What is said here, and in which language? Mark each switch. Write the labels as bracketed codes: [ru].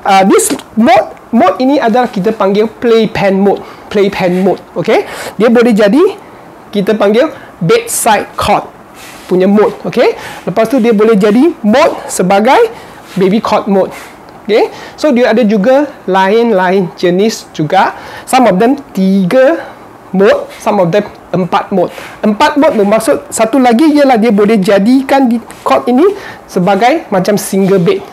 [ms] This mode ini adalah kita panggil playpen mode. [en] Playpen mode. Okay. [ms] Dia boleh jadi kita panggil bedside cot punya mode. Okay. Lepas tu dia boleh jadi mode sebagai baby cot mode. [en] Okay. [ms] So dia ada juga lain-lain jenis juga. [en] Some of them 3 mode, some of them 4 mode. [ms] 4 mode bermaksud satu lagi ialah dia boleh jadikan di cot ini sebagai macam single bed.